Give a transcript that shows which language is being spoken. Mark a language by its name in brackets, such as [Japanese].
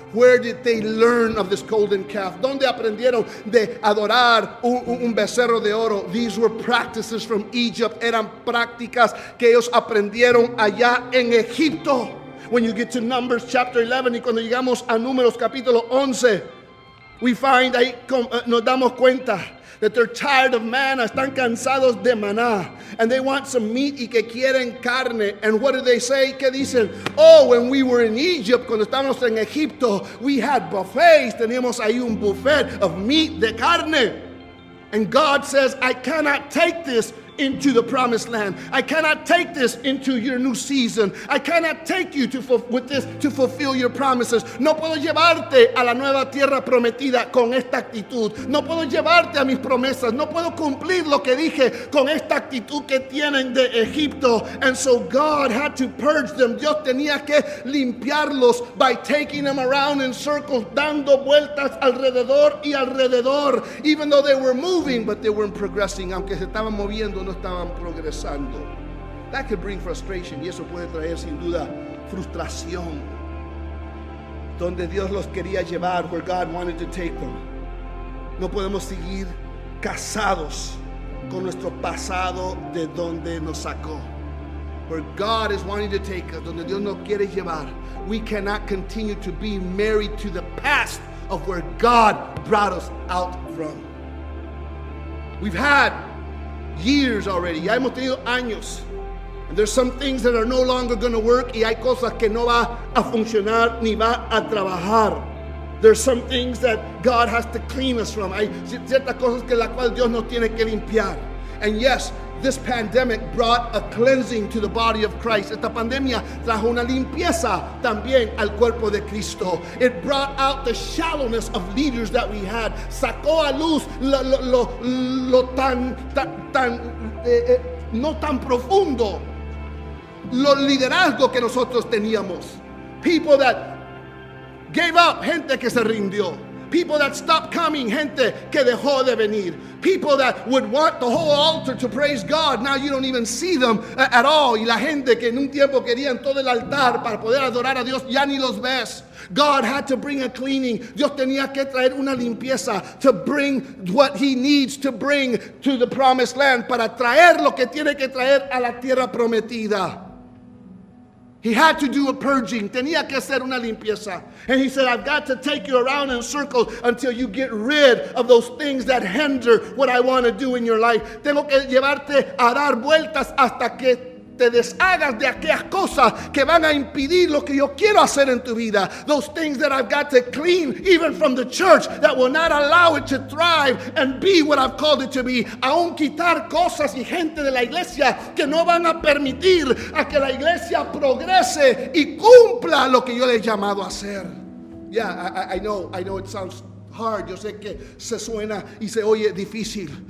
[English] Where did they learn of this golden calf? [Spanish] ¿Dónde aprendieron de adorar un becerro de oro? [English] These were practices from Egypt. [Spanish] Eran prácticas que ellos aprendieron allá en Egipto. [English] When you get to Numbers chapter 11, [Spanish] y cuando llegamos a Números capítulo 11, [English] we find, [Spanish] nos damos cuenta [English] that they're tired of manna, [Spanish] están cansados de maná, [English] and they want some meat, [Spanish] y que quieren carne. [English] And what do they say? [Spanish] ¿Qué dicen? [English] Oh, when we were in Egypt, [Spanish] cuando estábamos en Egipto, [English] we had buffets, [Spanish] teníamos ahí un buffet [English] of meat, [Spanish] de carne. [English] And God says, I cannot take this into the promised land. I cannot take this into your new season. I cannot take you to fulfill your promises. [Spanish] No puedo llevarte a la nueva tierra prometida con esta actitud. No puedo llevarte a mis promesas. No puedo cumplir lo que dije con esta actitud que tienen de Egipto. [English] And so God had to purge them. [Spanish] Dios tenía que limpiarlos [English] by taking them around in circles, [Spanish] dando vueltas alrededor y alrededor. [English] Even though they were moving, but they weren't progressing. [Spanish] Aunque se estaban moviendo, no estaban progresando. [English] That could bring frustration, [Spanish] y eso puede traer sin duda frustración. Donde Dios los quería llevar, [English] where God wanted to take them. [Spanish] No podemos seguir casados con nuestro pasado, de donde nos sacó. [English] Where God is wanting to take us, [Spanish] donde Dios nos quiere llevar. [English] We cannot continue to be married to the past of where God brought us out from. We've had years already. [Spanish] Ya hemos tenido años. [English] And there's some things that are no longer going to work. [Spanish] Y hay cosas que no va a funcionar ni va a trabajar. [English] There's some things that God has to clean us from. [Spanish] Hay ciertas cosas que la cual Dios nos tiene que limpiar. [English] And yes, this pandemic brought a cleansing to the body of Christ. [Spanish] Esta pandemia trajo una limpieza también al cuerpo de Cristo. [English] It brought out the shallowness of leaders that we had. [Spanish] Sacó a luz lo tan profundo. Los liderazgos que nosotros teníamos. [English] People that gave up, [Spanish] gente que se rindió. [English] People that stopped coming, [Spanish] gente que dejó de venir. [English] People that would want the whole altar to praise God, now you don't even see them at all. [Spanish] Y la gente que en un tiempo querían todo el altar para poder adorar a Dios, ya ni los ves. [English] God had to bring a cleaning. [Spanish] Dios tenía que traer una limpieza [English] to bring what he needs to bring to the promised land, [Spanish] para traer lo que tiene que traer a la tierra prometida. [English] He had to do a purging. [Spanish] Tenía que hacer una limpieza. [English] And he said, I've got to take you around in circles until you get rid of those things that hinder what I want to do in your life. [Spanish] Tengo que llevarte a dar vueltas hasta que te deshagas de aquellas cosas que van a impedir lo que yo quiero hacer en tu vida. [English] Those things that I've got to clean, even from the church, that will not allow it to thrive and be what I've called it to be. [Spanish] Aún quitar cosas y gente de la iglesia que no van a permitir a que la iglesia progrese y cumpla lo que yo le he llamado a hacer. [English] Yeah, I know it sounds hard. [Spanish] Yo sé que se suena y se oye difícil.